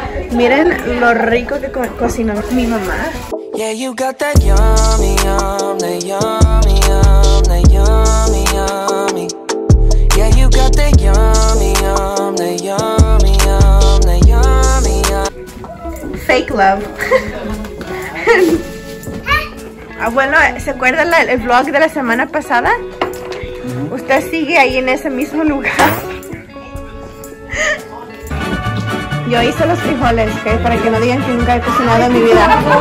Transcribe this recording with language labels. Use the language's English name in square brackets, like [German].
[Spanish] Miren lo rico que cocinó mi mamá. [English] Yeah, you got that yummy, yum, that yummy, yum, that yummy, yummy. Yeah, you got that yummy, yum, that yummy, yum, that yummy, yummy. Fake love. [Spanish] Abuelo, ¿se acuerda el vlog de la semana pasada? Usted sigue ahí en ese mismo lugar. Yo hice los frijoles, ¿eh? Para que no digan que nunca he cocinado en mi vida.